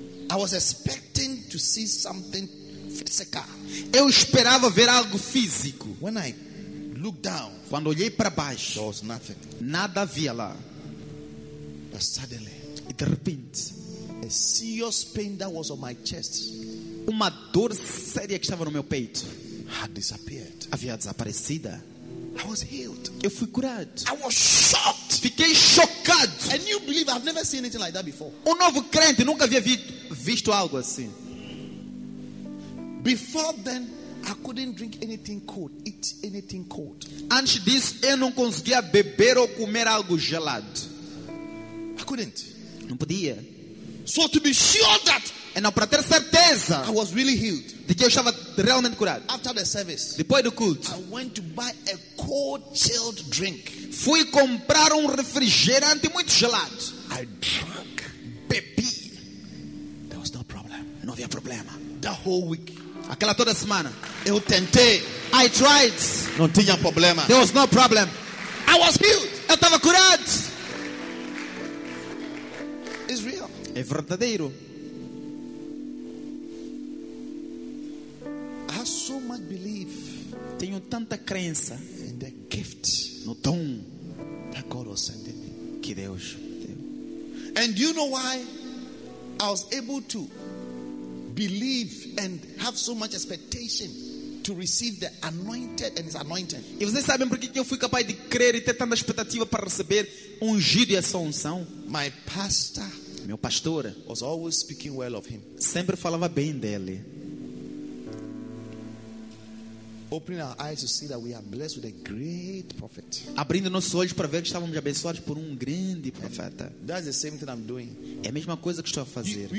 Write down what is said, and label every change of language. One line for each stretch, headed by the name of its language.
English: I was expecting to see something physical.
Portuguese: Eu esperava ver algo físico.
English: When I looked down,
Portuguese: quando olhei para baixo,
English: there was nothing.
Portuguese: Nada havia lá.
English: But suddenly,
Portuguese: e de repente,
English: a serious pain that was on my chest,
Portuguese: uma dor séria que estava no meu peito,
English: had disappeared.
Portuguese: Havia desaparecido.
English: I was healed.
Portuguese: Eu fui curado.
English: I was shocked.
Portuguese: Fiquei chocado.
English: A new believer, I've never seen anything like that before.
Portuguese: Um novo crente, nunca havia visto algo assim.
English: Before then, I couldn't drink anything cold, eat anything cold.
Portuguese: Antes disso, eu não conseguia beber ou comer algo gelado.
English: I couldn't.
Portuguese: Não podia.
English: So to be sure that,
Portuguese: e não, para ter certeza,
English: I was really healed.
Portuguese: De que eu estava realmente curado.
English: After the service,
Portuguese: depois do culto,
English: I went to buy a cold chilled drink.
Portuguese: Fui comprar refrigerante muito gelado.
English: I drank,
Portuguese: bebi.
English: There was no problem.
Portuguese: Não havia problema.
English: The whole week,
Portuguese: aquela toda semana, eu tentei.
English: I tried.
Portuguese: Não tinha problema.
English: There was no problem. I was healed.
Portuguese: Eu estava curado.
English: It's real.
Portuguese: É verdadeiro.
English: So much belief.
Portuguese: Tenho tanta crença
English: in the gift,
Portuguese: no dom
English: that God was sending me.
Portuguese: Que Deus deu.
English: And do you know why I was able to believe and have so much expectation to receive the anointed and his anointing?
Portuguese: E vocês sabem por que eu fui capaz de crer e ter tanta expectativa para receber ungido e essa unção?
English: My pastor,
Portuguese: meu pastor,
English: was always speaking well of him.
Portuguese: Sempre falava bem dele.
English: Opening our eyes to see that we are blessed with a great prophet.
Portuguese: Abrindo nossos olhos para ver que estávamos abençoados por grande profeta.
English: That's the same thing I'm doing.
Portuguese: É a mesma coisa que estou a fazer.